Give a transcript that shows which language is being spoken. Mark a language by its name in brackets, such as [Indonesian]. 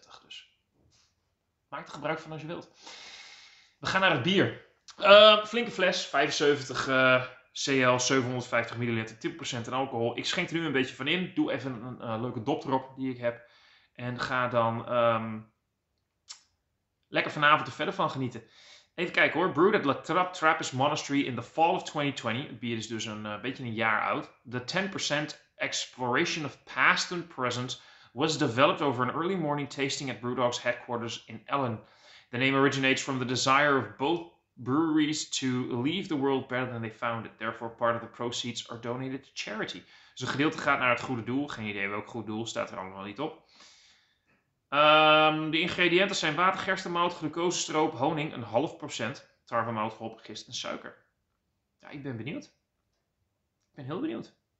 [Dutch] Dus... Maak er gebruik van als je wilt. We gaan naar het bier. Flinke fles, 75 cl, 750 milliliter, 10% in alcohol. Ik schenk er nu een beetje van in. Doe even een leuke dop erop die ik heb. En ga dan lekker vanavond er verder van genieten. Even kijken hoor. [English] Brewed at La Trappe Trappist Monastery in the fall of 2020. [Dutch] Het bier is dus een beetje een jaar oud. [English] The 10% exploration of past and present... was developed over an early morning tasting at Brewdog's headquarters in Ellen. The name originates from the desire of both breweries to leave the world better than they found it. Therefore, part of the proceeds are donated to charity. [Dutch] Dus een gedeelte gaat naar het goede doel. Geen idee welk goed doel, staat er allemaal niet op. De ingrediënten zijn water, gerstenmout, glucosestroop, honing, 0,5%, tarwemout, hop, gist en suiker. Ja, ik ben benieuwd. Ik ben heel benieuwd.